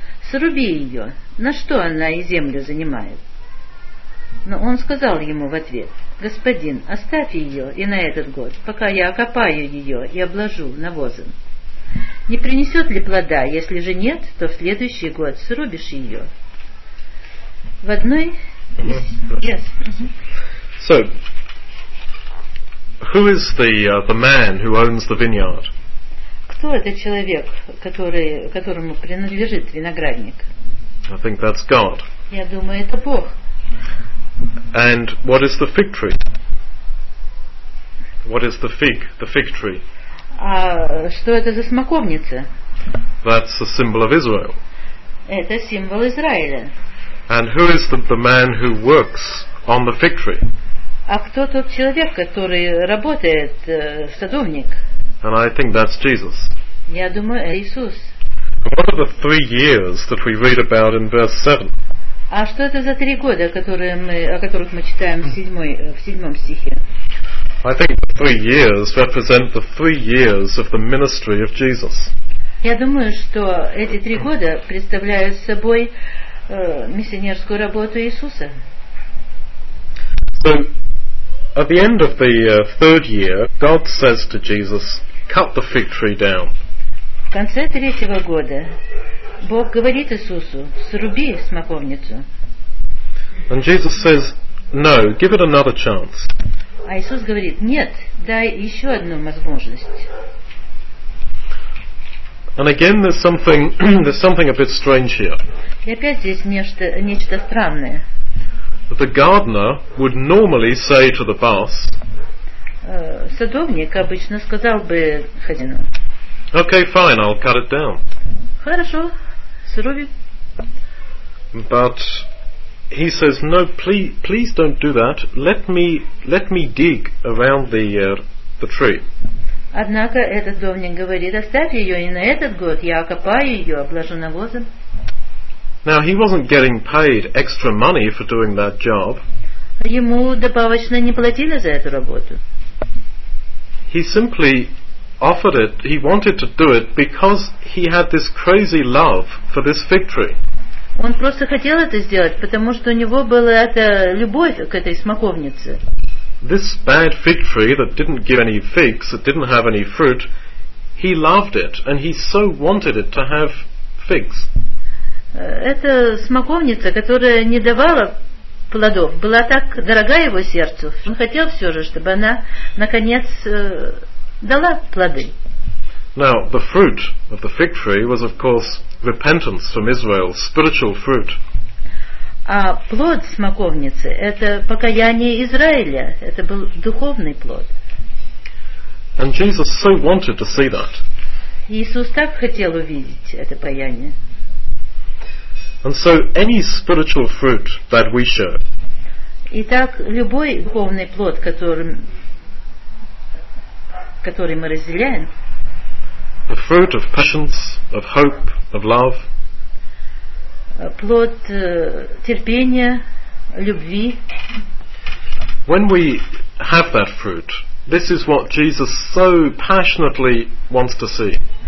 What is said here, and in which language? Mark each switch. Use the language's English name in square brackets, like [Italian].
[Russian] Сруби ее, на что она и землю занимает? Но он сказал ему в ответ, господин, оставь ее и на этот год, пока я окопаю ее и обложу навозом. Не принесет ли плода, если же нет, то в следующий год срубишь ее. В одной... [English] Yes. So, who is the man who owns the vineyard? [Russian] Кто этот человек, которому принадлежит виноградник? [English] I think that's God. [Russian] Я думаю, это Бог. [English] And what is the fig tree? What is the fig tree? [Russian] А что это за смоковница? [English] That's the symbol of Israel. [Russian] Это символ Израиля. [English] And who is the man who works on the fig tree? [Russian] А кто тот человек, который работает, садовник? [English] And I think that's Jesus. [Russian] Я думаю, это Иисус. [English] What are the 3 years that we read about in verse 7? [Russian] А что это за 3 года, о которых мы читаем в седьмом стихе? [English] I think the 3 years represent the 3 years of the ministry of Jesus. [Russian] Я думаю, что эти 3 года представляют собой миссионерскую работу Иисуса. [English] So, at the end of the third year, God says to Jesus, "Cut the fig tree down." [Russian] В конце 3-го года Бог говорит Иисусу: "Сруби смоковницу." [English] And Jesus says, "No, give it another chance." [Russian] А Иисус говорит: "Нет, дай еще одну возможность." [English] And again, there's something a bit strange here. [Russian] И опять здесь нечто странное. [English] The gardener would normally say to the boss. [Russian] Садовник обычно сказал бы хозяину. [English] Okay, fine, I'll cut it down. [Russian] Хорошо, сруби. [English] But he says, no, please don't do that. Let me dig around the tree. [Russian] Однако этот садовник говорит: оставь ее и на этот год, я окопаю ее, обложу навозом. [English] Now he wasn't getting paid extra money for doing that job. [Russian] Ему добавочно не платили за эту работу. [English] He simply offered it, he wanted to do it because he had this crazy love for this fig tree. [Russian] Он просто хотел это сделать, потому что у него была эта любовь к этой смоковнице. [English] This bad fig tree that didn't give any figs, that didn't have any fruit, he loved it and he so wanted it to have figs. [Russian] Эта смоковница, которая не давала плодов, была так дорога его сердцу. Он хотел все же, чтобы она наконец дала плоды. [English] Now, the fruit of the fig tree was, of course, repentance from Israel, spiritual fruit. [Russian] А плод смоковницы – это покаяние Израиля, это был духовный плод. [English] And Jesus so wanted to see that. [Russian] Иисус так хотел увидеть это покаяние. [English] And so any spiritual fruit that we show. [Russian] Итак, любой духовный плод, который мы разделяем. [English] The fruit of patience, of hope, of love. [Russian] Плод терпения, любви. [English] When we have that fruit, this is what Jesus so passionately wants to see.